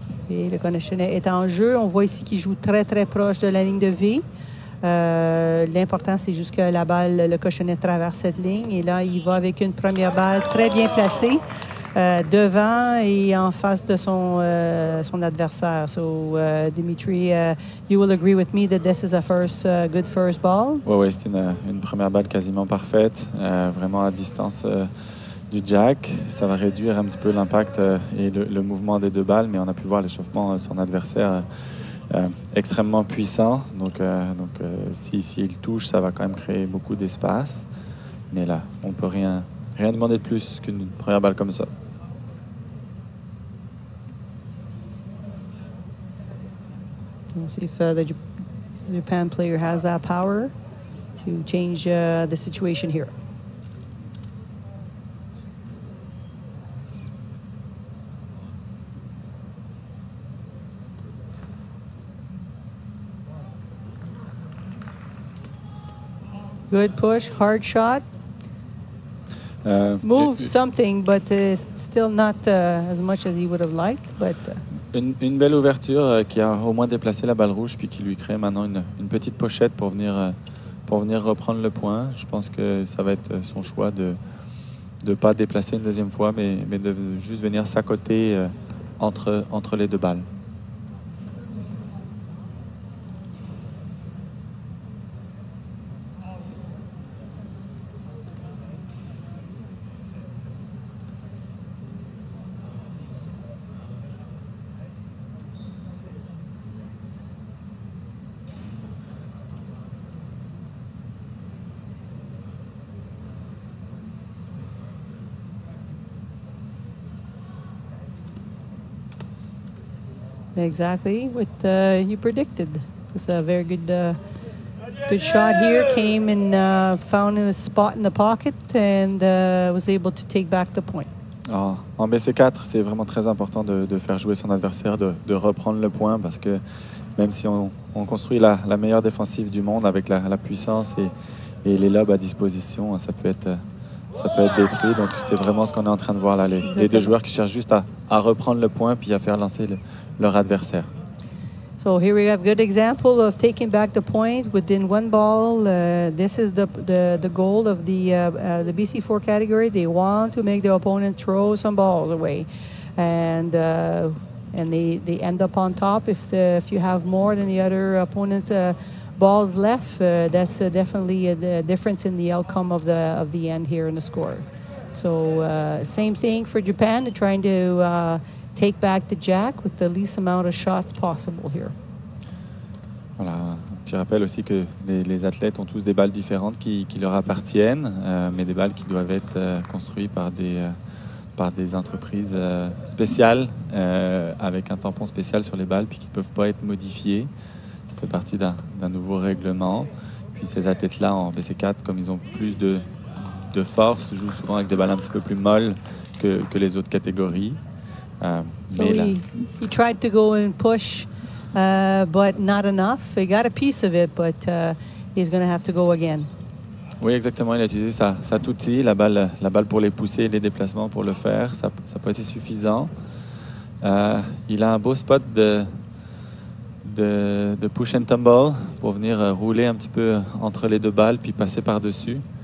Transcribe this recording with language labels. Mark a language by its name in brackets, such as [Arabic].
[French] Et le cochonnet est en jeu. On voit ici qu'il joue très, très proche de la ligne de V. L'important, c'est juste que la balle, le cochonnet traverse cette ligne. Et là, il va avec une première balle très bien placée devant et en face de son, son adversaire. [English] So, Dimitri, you will agree with me that this is a first good first ball? [French] Oui, c'est une première balle quasiment parfaite, vraiment à distance du jack. Ça va réduire un petit peu l'impact et le mouvement des deux balles, mais on a pu voir l'échauffement de son adversaire extrêmement puissant. Donc, s'il touche, ça va quand même créer beaucoup d'espace. Mais là, on peut rien demander de plus qu'une première balle comme ça. [English] We'll see if the Japan player has that power to change the situation here. Good push, hard shot. Move something, but still not as much as he would have liked. But [French] une belle ouverture qui a au moins déplacé la balle rouge puis qui lui crée maintenant une petite pochette pour venir reprendre le point. Je pense que ça va être son choix de pas déplacer une deuxième fois, mais de juste venir s'accoter entre les deux balles. [English] Exactly what you predicted. It was a very good good shot here. Came and found a spot in the pocket and was able to take back the point. [French] Oh, en BC4, c'est vraiment très important de faire jouer son adversaire, de reprendre le point, parce que même si on construit la meilleure défensive du monde avec la puissance et les lobes à disposition, ça peut être détruit. Donc c'est vraiment ce qu'on est en train de voir là. Les deux joueurs qui cherchent juste à reprendre le point puis à faire lancer leur adversaire. [English] So here we have a good example of taking back the point within one ball. This is the goal of the BC4 category. They want to make their opponent throw some balls away, and they end up on top. If you have more than the other opponent's balls left, that's definitely a difference in the outcome of the end here in the score. So same thing for Japan. They're trying to take back the jack with the least amount of shots possible here. [French] Voilà, un petit rappel aussi que les athlètes ont tous des balles différentes qui leur appartiennent, mais des balles qui doivent être construites par des entreprises spéciales avec un tampon spécial sur les balles, puis qui ne peuvent pas être modifiées. Ça fait partie d'un nouveau règlement. Puis ces athlètes-là en BC4, comme ils ont plus de force, jouent souvent avec des balles un petit peu plus molles que les autres catégories. [English] So he tried to go and push, but not enough. He got a piece of it, but he's going to have to go again. [French] Oui, exactement. Il a utilisé sa outil, la balle pour les pousser, les déplacements pour le faire. Ça peut être suffisant. Il a un beau spot de push and tumble pour venir rouler un petit peu entre les deux balles puis passer par-dessus.